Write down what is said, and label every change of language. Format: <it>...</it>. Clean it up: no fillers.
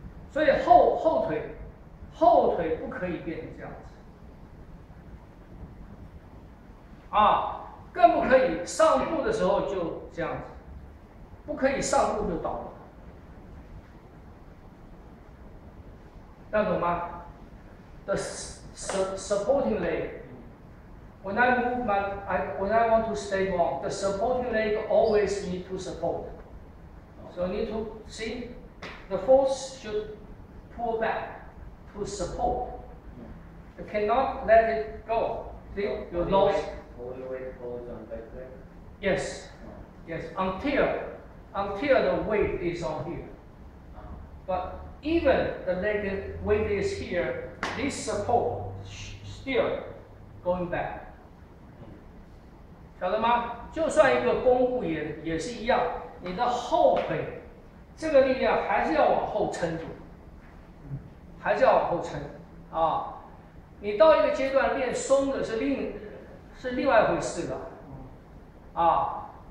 <zh>所以后腿不可以变成这样子啊，更不可以上步的时候就这样子，不可以上步就倒了，要懂吗？</zh> <en>The supporting legWhen I move my, when I want to stay long, the supporting leg always need to support. So need to see, the force should pull back to support. You cannot let it go. See, you lost. Hold your weight on back leg. Yes, yes. Until the weight is on here. But even the leg weight is here, this support still going back.</en> <zh>晓得吗？就算一个弓步也是一样，你的后腿这个力量还是要往后撑住，还是要往后撑啊。你到一个阶段练松的是另外一回事的啊。</zh>